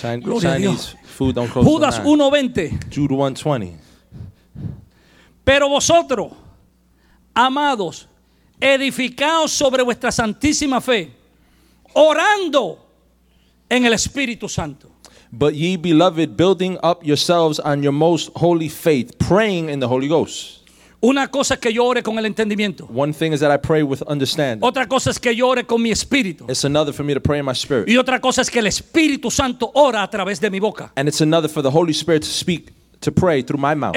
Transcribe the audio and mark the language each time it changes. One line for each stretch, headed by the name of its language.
Spanish: Gloria a Dios.
English: Food don't close.
Spanish: Judas 1:20.
English: Jude 1:20.
Spanish: Pero vosotros, amados, edificaos sobre vuestra santísima fe, orando en el Espíritu Santo.
English: But ye beloved, building up yourselves on your most holy faith, praying in the Holy Ghost.
Spanish: Una cosa es que yo ore con el entendimiento.
English: One thing is that I pray with understanding.
Spanish: Otra cosa es que yo ore con mi espíritu.
English: It's another for me to pray in my spirit.
Spanish: Y otra cosa es que el Espíritu Santo ora a través de mi boca.
English: And it's another for the Holy Spirit to speak, to pray through my mouth.